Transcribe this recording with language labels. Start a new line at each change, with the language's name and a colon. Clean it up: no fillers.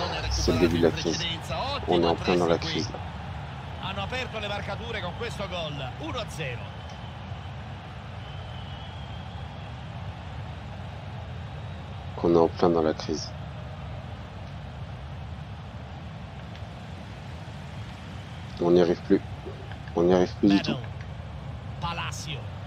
French: C'est le début de la crise. On est en plein dans la crise.
Italian: Hanno aperto le marcature con questo gol 1-0.
French: Qu'on est en plein dans la crise. On n'y arrive plus. On n'y arrive plus du tout. Palacio.